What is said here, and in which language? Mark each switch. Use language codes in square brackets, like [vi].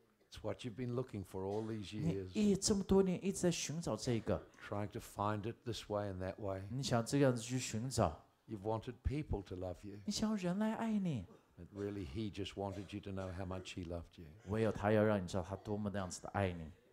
[en] It's what you've been looking for all these years. [zh] 你这么多年一直在寻找这个。 [en] Trying to find it this way and that way. [zh] 你想这样子去寻找。 [en] You've wanted people to love you. [zh] 你想要人来爱你。 [en] But really, he just wanted you to know how much he loved you. [zh] 唯有他要让你知道他多么那样子的爱你。